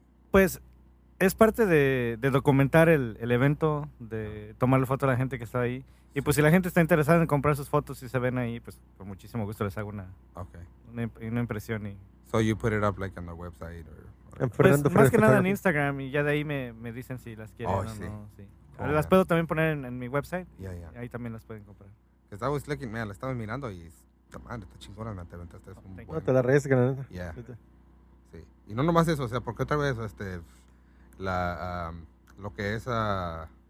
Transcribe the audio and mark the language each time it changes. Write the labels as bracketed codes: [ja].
[es] Pues es parte de documentar el evento, de tomarle foto a la gente que está ahí. Y pues si la gente está interesada en comprar sus fotos y se ven ahí, pues con muchísimo gusto les hago una impresión. Y... [en] So you put it up like on the website or [es] pues, más que nada en Instagram y ya de ahí me dicen si las quieren o no. Oh, las puedo también poner en mi website. [en] Yeah. [es] Ahí también las pueden comprar. [en] Because I was looking, man, [es] la estaba mirando y... Man, está chingona, man. Te la reyes, granada. [en] Yeah. [es] Sí. Y no nomás eso, o sea, porque otra vez, ¿cómo se llama?